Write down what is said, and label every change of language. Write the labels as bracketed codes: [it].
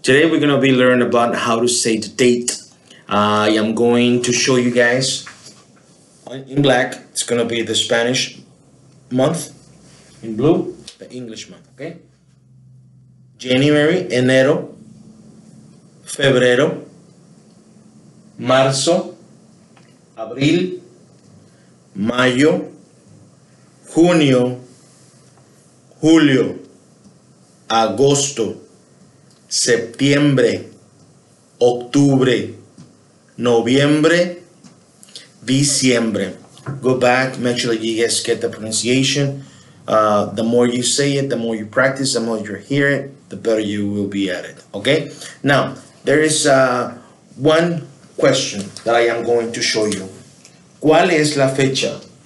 [en] Today we're gonna be learning about how to say the date. I am going to show you guys in black, it's gonna be the Spanish month, in blue, the English month, okay? [es] January, enero, febrero, marzo, abril, mayo, junio, julio, agosto, septiembre, octubre, noviembre, diciembre. [en] Go back, make sure that you guys get the pronunciation. The more you say it, the more you practice, the more you hear it, the better you will be at it, okay? Now, there is one question that I am going to show you. [es] ¿Cuál es la fecha?